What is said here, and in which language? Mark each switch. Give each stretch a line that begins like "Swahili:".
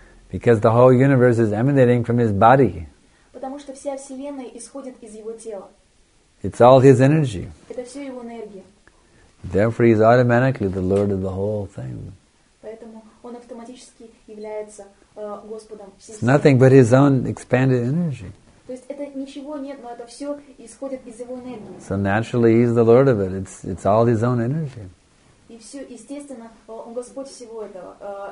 English: Because the whole universe is emanating from his body.
Russian: Потому что вся вселенная исходит из его тела.
English: It's all his energy.
Russian: Это все его энергия.
English: Therefore, he is automatically the lord of the whole thing.
Russian: Поэтому он автоматически является господом всей вселенной.
English: Nothing but his own expanded energy.
Russian: То есть это ничего нет, но это все исходит из его энергии.
English: So naturally he's the lord of it. It's all his own energy.
Russian: И все естественно, он Господь всего этого.